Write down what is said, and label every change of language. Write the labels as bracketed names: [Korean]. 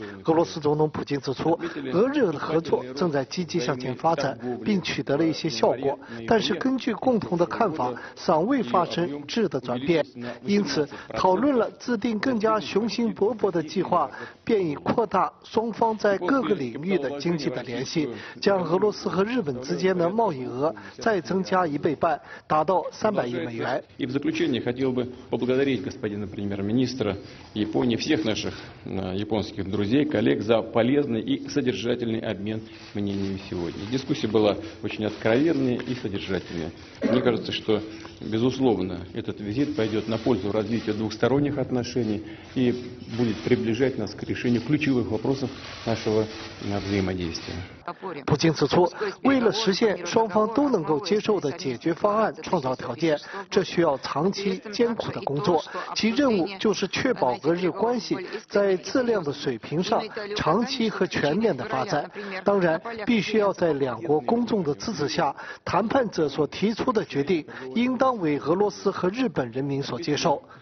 [Chinese] 俄罗斯总统普京指出，俄日的合作正在积极向前发展，并取得了一些效果，但是根据共同的看法，尚未发生质的转变，因此讨论了制定更加雄心勃勃的计划，便以扩大双方在各个领域的经济的联系，将俄罗斯和日本之间的贸易额再增加1.5倍，达到300亿美元。 [Russian] И в заключение хотел бы поблагодарить господина премьер-министра Японии всех наших японских друзей, коллег за полезный и содержательный обмен мнениями сегодня. Дискуссия была очень откровенная и содержательная. Мне кажется, что безусловно этот визит пойдет на пользу развитию двухсторонних отношений и будет приближать нас к решению ключевых вопросов нашего взаимодействия. [Chinese] 普京指出，为了实现双方都能够接受的解决方案创造条件，这需要长期艰苦的工作，其任务就是确保俄日关系在质量的水平上长期和全面的发展。当然必须要在两国公众的支持下，谈判者所提出的决定应当为俄罗斯和日本人民所接受。